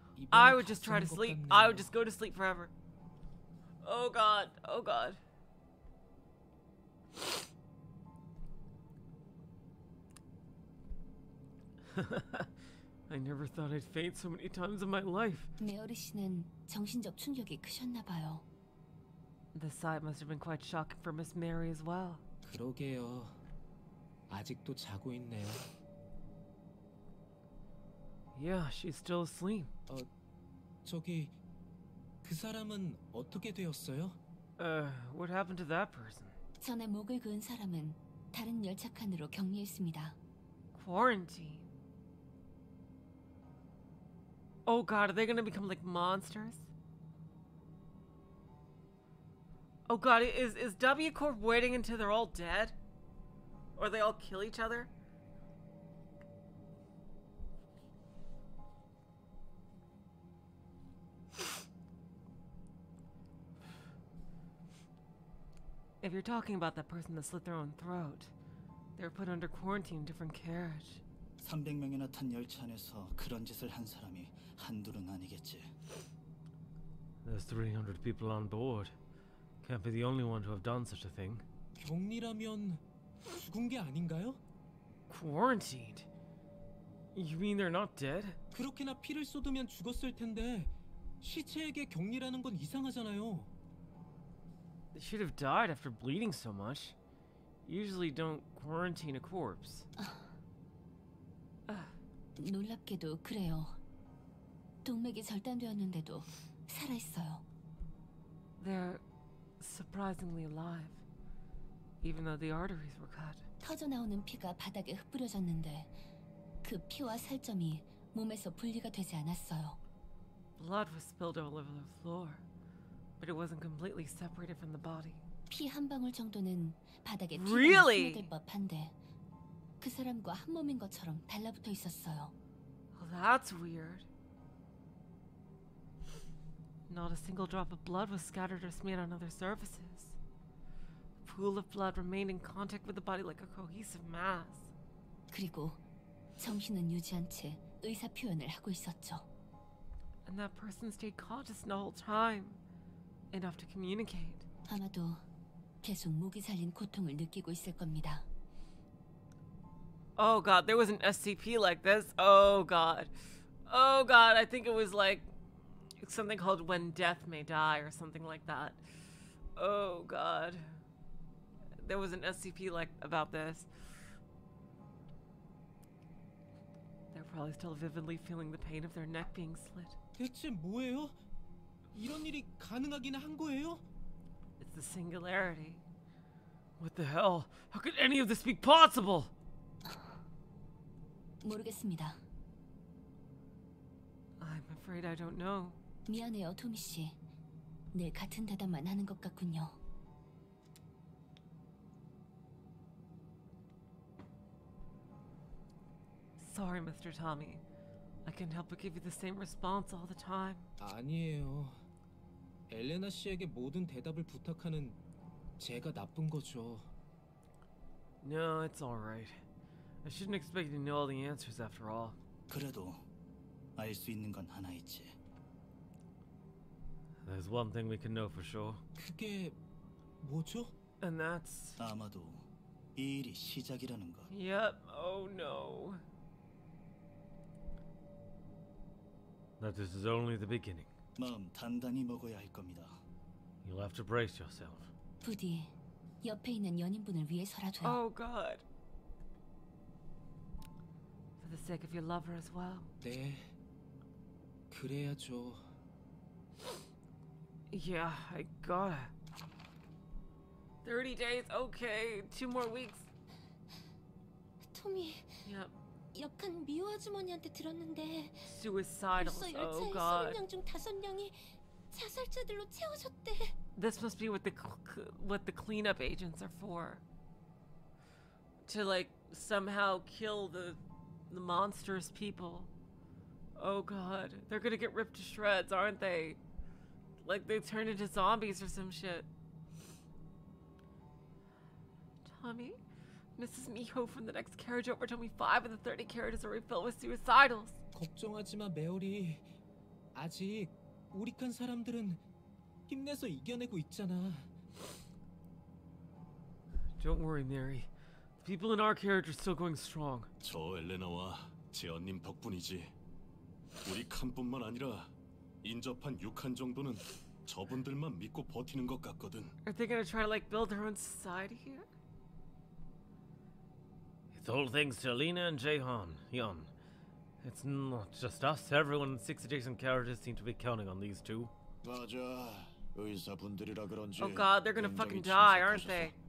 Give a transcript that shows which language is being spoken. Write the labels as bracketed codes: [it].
[en] I would just try to sleep. I would just go to sleep forever. Oh God. Oh God. I never thought I'd faint so many times in my life. [ko] 네 어르신은 정신적 충격이 크셨나 봐요. [en] The sight must have been quite shocking for Miss Mary as well. [ko] 그러게요. 아직도 자고 있네요. [en] Yeah, she's still asleep. [ko] 저기 그 사람은 어떻게 되었어요? [en] What happened to that person? [ko] 전에 목을 그은 사람은 다른 열차칸으로 격리했습니다. [en] Quarantine. Oh god, are they gonna become like monsters? Oh god, is W Corp waiting until they're all dead? Or they all kill each other? If you're talking about that person that slit their own throat, they were put under quarantine in a different carriage. [ko] 300명이나 탄 열차 안에서 그런 짓을 한 사람이 한둘은 아니겠지. [en] There's 300 people on board. Can't be the only one to have done such a thing. [ko] 격리라면 죽은 게 아닌가요? [en] Quarantined? You mean they're not dead? [ko] 그렇게나 피를 쏟으면 죽었을 텐데 시체에게 격리라는 건 이상하잖아요. [en] They should have died after bleeding so much. Usually don't quarantine a corpse. [ko] 놀랍게도 그래요. 동맥이 절단되었는데도 살아있어요. [en] They're surprisingly alive, even though the arteries were cut. [ko] 터져나오는 피가 바닥에 흩뿌려졌는데 그 피와 살점이 몸에서 분리가 되지 않았어요. [en] Blood was spilled all over the floor. But it wasn't completely separated from the body. [ko] 피 한 방울 정도는 바닥에 [en] really? [ko] 피가 묻을 법한데 그 사람과 한 몸인 것처럼 달라붙어 있었어요. [en] Well, that's weird. Not a single drop of blood was scattered or smeared on other surfaces. A pool of blood remained in contact with the body like a cohesive mass. [ko] 그리고 정신은 유지한 채 의사 표현을 하고 있었죠. [en] And that person stayed conscious the whole time. Enough to communicate. [ko] 아마도 계속 목이 살린 고통을 느끼고 있을 겁니다. [en] Oh god, there was an SCP like this. Oh god. Oh god, I think it was like something called When Death May Die or something like that. Oh god. There was an SCP like about this. They're probably still vividly feeling the pain of their neck being slit. [ko] 대체 뭐예요? 이런 일이 가능하긴 한 거예요? [en] It's the singularity. What the hell? How could any of this be possible? [ko] 모르겠습니다. [en] I'm afraid I don't know. [ko] 미안해요, 토미 씨. 늘 같은 대답만 하는 것 같군요. [en] Sorry, Mr. Tommy. I can't help but give you the same response all the time. [ko] 아니에요. 엘레나 씨에게 모든 대답을 부탁하는 제가 나쁜 거죠. [en] No, it's all right. I shouldn't expect you to know all the answers after all. [ko] 그래도 알 수 있는 건 하나 있지. [en] There's one thing we can know for sure. [ko] 그게 뭐죠? [en] And that's [ko] 아마도 이 일이 시작이라는 것. [en] Yep. Oh no. That this is only the beginning. [ko] 마음 단단히 먹어야 할 겁니다. [en] You'll have to brace yourself. [ko] 부디 옆에 있는 연인분을 위해서라도. [en] Oh God. For the sake of your lover as well. [ko] 네. 그래야죠. [en] Yeah, I gotta. 30 days. Okay, two more weeks. [ko] 토미. [en] Yep. [ko] 역한 미호 아주머니한테 들었는데 [en] Suicidals. [ko] 벌써 열차에 20명 중 5명이 자살자들로 채워졌대. [en] This must be what the cleanup agents are for. to like somehow kill the monstrous people. Oh god, they're gonna get ripped to shreds, aren't they? Like they turned into zombies or some shit. Tommy, Mrs. Miho from the next carriage over told me 5 of the 30 carriages are refilled with suicidals. [ko] 걱정하지 마, 메오리. 아직 우리 큰 사람들은 힘내서 이겨내고 있잖아. [en] Don't worry, Mary. The people in our carriage are still going strong. [ko] 저 엘레나와 제언님 덕분이지. 우리 칸뿐만 아니라 인접한 6칸 정도는 저분들만 믿고 버티는 것 같거든. [en] Are they gonna try to like build their own society here? It's all thanks to Lena and Jaehan, Yon. It's not just us. Everyone in six adjacent carriages seem to be counting on these two. [ko] 맞아. 의사분들이라 그런지. [en] Oh God, they're gonna fucking die, aren't they?